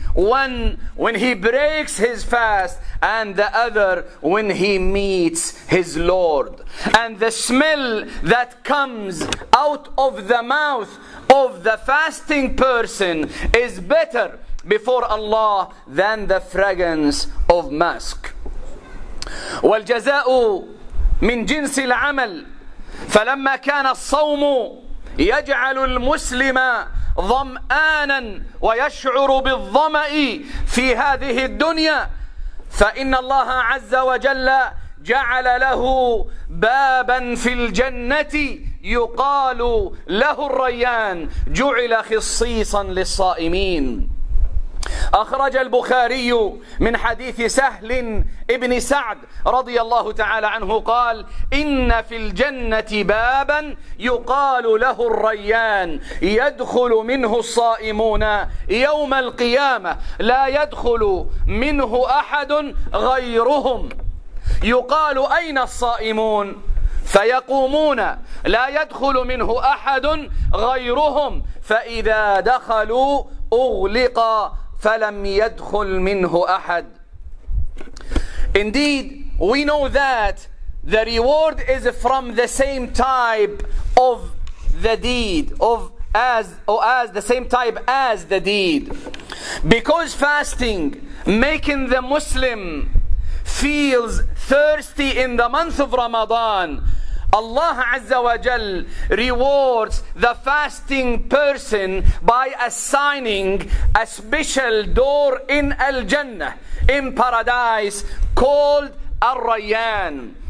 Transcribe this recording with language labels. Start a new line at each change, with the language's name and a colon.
English: One when he breaks his fast, and the other when he meets his Lord. And the smell that comes out of the mouth of the fasting person is better before Allah than the fragrance of musk.
Arabic: والجزاء من جنس العمل فلما كان الصوم يجعل المسلم ظمآنا ويشعر بالظمأ في هذه الدنيا فإن الله عز وجل جعل له بابا في الجنة يقال له الريان جعل خصيصا للصائمين أخرج البخاري من حديث سهل ابن سعد رضي الله تعالى عنه قال إن في الجنة بابا يقال له الريان يدخل منه الصائمون يوم القيامة لا يدخل منه أحد غيرهم يقال أين الصائمون فيقومون لا يدخل منه أحد غيرهم فإذا دخلوا أغلق فَلَمْ يَدْخُلْ مِنْهُ أَحَدٍ.
English: Indeed, we know that the reward is from the same type of the deed, as the same type as the deed. Because fasting, making the Muslim feels thirsty in the month of Ramadan, Allah Azza wa Jal rewards the fasting person by assigning a special door in Al-Jannah, in paradise, called Ar-Rayyan.